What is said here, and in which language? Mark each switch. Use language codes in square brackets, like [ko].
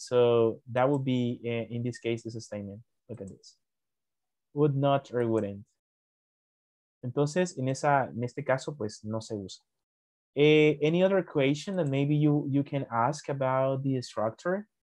[en] So that would be, in this case, this statement. Look at this. Would not or wouldn't. [es] Entonces, en este caso, pues, no se usa. [en] Any other question that maybe you can ask about the structure?